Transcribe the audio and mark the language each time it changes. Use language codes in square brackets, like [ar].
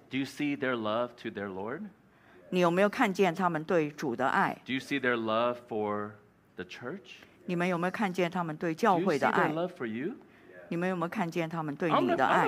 [en] Do you see their love to their Lord? [zh] 你有没有看见他们对主的爱 [en] ？Do you see their love for the church? [zh] 你们有没有看见他们对教会的爱 [en] ？Do you see their love for you? [zh] 你们有没有看见他们对你的爱